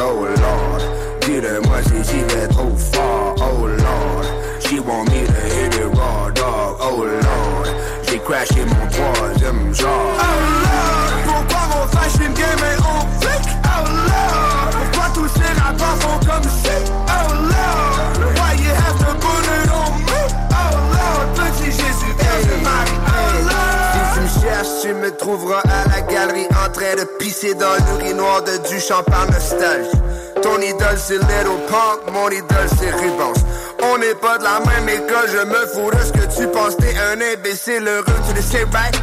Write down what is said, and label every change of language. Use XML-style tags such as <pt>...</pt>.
<en>Oh Lord,</en> <fr>dis-le-moi si j'y vais trop fort.</fr> <en>Oh Lord, she want me to hit it raw dog. Oh Lord,</en> <fr>j'ai crashé mon troisième jar.</fr> <en>Oh Lord,</en> <fr>pourquoi mon fashion game est on fleek?</fr> <en>Oh Lord,</en> <fr>pourquoi tous ces rappeurs font comme ça?</fr> <en>Oh Lord, why you have to put it on me?</en> <fr>Oh Lord, petit Jésus, hey, hey, oh Lord. Si tu me cherches, tu me trouveras à la galerie en train de pisser dans l'urinoir de du champagne nostalgie. Ton idole c'est Little Punk, mon idole c'est Rubens. On n'est pas de la même école, je me fous de ce que tu penses. T'es un imbécile heureux, tu le sais, right?</fr>